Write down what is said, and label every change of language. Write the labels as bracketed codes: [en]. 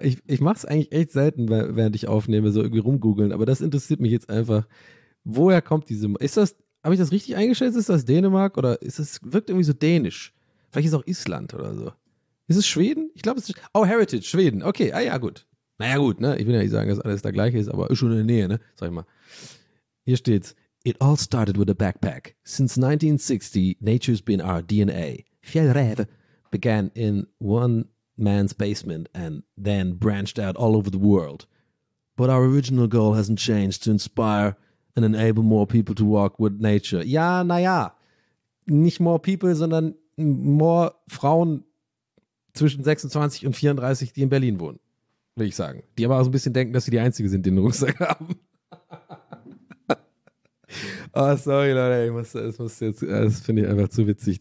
[de] Ich mache es eigentlich echt selten, während ich aufnehme, so irgendwie rumgoogeln, aber das interessiert mich jetzt einfach. Woher kommt diese. Ist das, habe ich das richtig eingeschätzt? Ist das Dänemark oder ist das, wirkt irgendwie so dänisch? Vielleicht ist es auch Island oder so. Ist es Schweden? Ich glaube, es ist. Oh, Heritage, Schweden. Okay, ah ja, gut. Naja, gut, ne? Ich will ja nicht sagen, dass alles der gleiche ist, aber ist schon in der Nähe, ne? Sag ich mal. Hier steht's. [en] It all started with a backpack. Since 1960, nature's been our DNA. Fjällräve began in one man's basement and then branched out all over the world. But our original goal hasn't changed, to inspire and enable more people to walk with nature. [de] Ja, naja. Nicht more people, sondern more Frauen zwischen 26 und 34, die in Berlin wohnen, will ich sagen. Die aber auch so ein bisschen denken, dass sie die Einzige sind, die einen Rucksack haben. Oh, sorry, Leute, das finde ich einfach zu witzig.